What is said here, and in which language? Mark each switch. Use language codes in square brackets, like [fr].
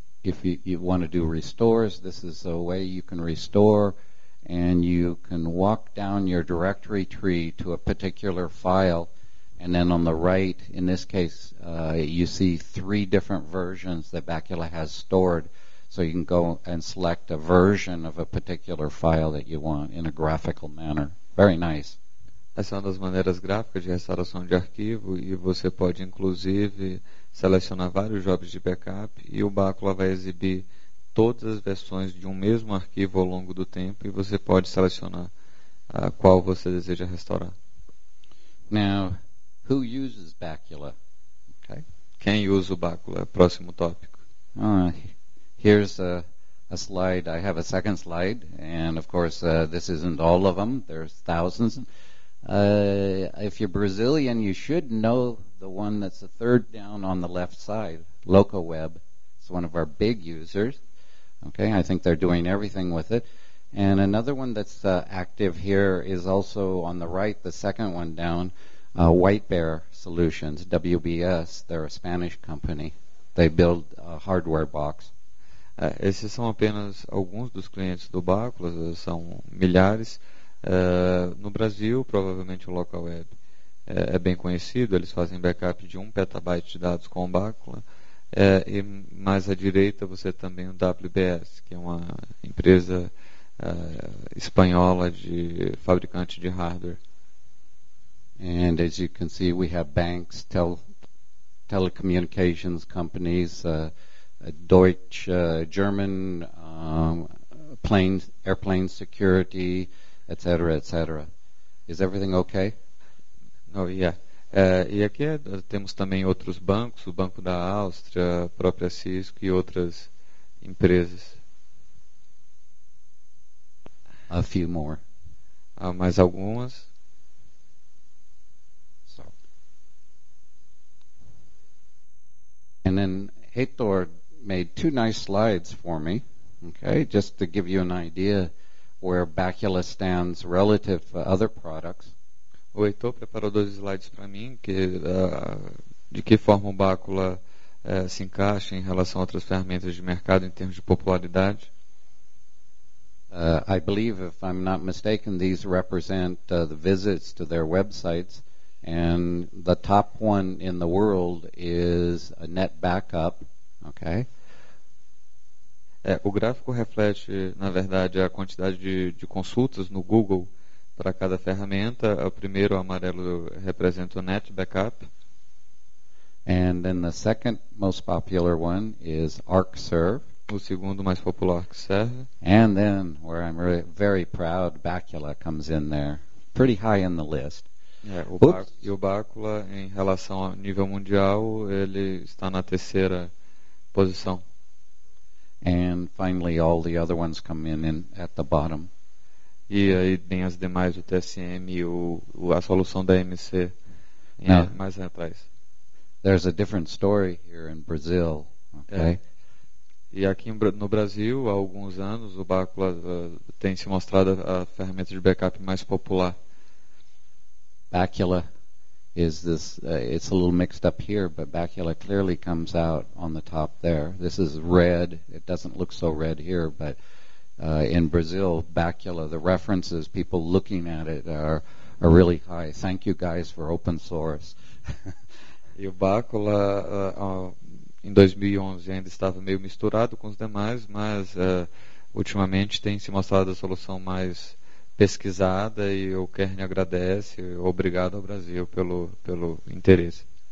[en] If you want to do restores, this is a way you can restore, and you can walk down your directory tree to a particular file, and then on the right, in this case, you see 3 different versions that Bacula has stored. So you can go and select a version of a particular file that you want in a graphical manner. Very nice. [pt] Essa é uma das maneiras gráficas de restauração de arquivo, e você pode inclusive selecionar vários jobs de backup, e o Bacula vai exibir todas as versões de um mesmo arquivo ao longo do tempo e você pode selecionar a qual você deseja restaurar. [en] Now, who uses Bacula? [pt] Okay. Quem usa o Bacula? Próximo tópico. [en] Here's a slide. I have a second slide, and of course, this isn't all of them. There's thousands. If you're Brazilian, you should know the one that's the third down on the left side, LocoWeb. It's one of our big users. Okay, I think they're doing everything with it. And another one that's active here is also on the right, the second one down, White Bear Solutions, WBS. They're a Spanish company. They build a hardware box. [pt] Esses são apenas alguns dos clientes do Bacula, são milhares. No Brasil, provavelmente o LocalWeb é bem conhecido, eles fazem backup de 1 petabyte de dados com o Bacula. E mais à direita você também o WBS, que é uma empresa espanhola de fabricante de hardware. [en] And as you can see, we have banks, telecommunications companies, Deutsch, German, planes, airplane security, etc., etc. Is everything okay? Oh, yeah. [pt] E aqui temos também outros bancos, o Banco da Áustria, a própria CISL e outras empresas. [en] A few more. [pt] Há mais algumas. [en] And then Heitor made 2 nice slides for me, okay, just to give you an idea where Bacula stands relative to other products. [pt] O Heitor preparou 2 slides para mim, que de que forma o Bacula se encaixa em relação a outras ferramentas de mercado em termos de popularidade. [en] I believe, if I'm not mistaken, these represent the visits to their websites. And the top one in the world is a net backup, okay? [pt] O gráfico reflete, na verdade, a quantidade de consultas no Google para cada ferramenta. O primeiro, o amarelo, representa o net backup. [en] And then the second most popular one is ArcServe. [pt] O segundo mais popular, ArcServe. [en] And then, where I'm really very proud, Bacula comes in there, pretty high in the list. [pt] E o Bacula, em relação ao nível mundial, ele está na terceira posição. [en] And finally, all the other ones come in at the bottom. [pt] E aí tem as demais, o TSM e a solução da MC, mais atrás. [en] There's a different story here in Brazil, okay? [pt] E aqui no Brasil, há alguns anos, o Bacula tem se mostrado a ferramenta de backup mais popular. [en] Bacula is this, it's a little mixed up here, but Bacula clearly comes out on the top there. This is red, it doesn't look so red here, but in Brazil, Bacula, the references, people looking at it are really high. Thank you guys for open source. [pt] E o Bacula, em 2011, ainda estava meio misturado com os demais, mas ultimamente tem se mostrado a solução mais pesquisada, e o Kern agradece, obrigado ao Brasil pelo interesse.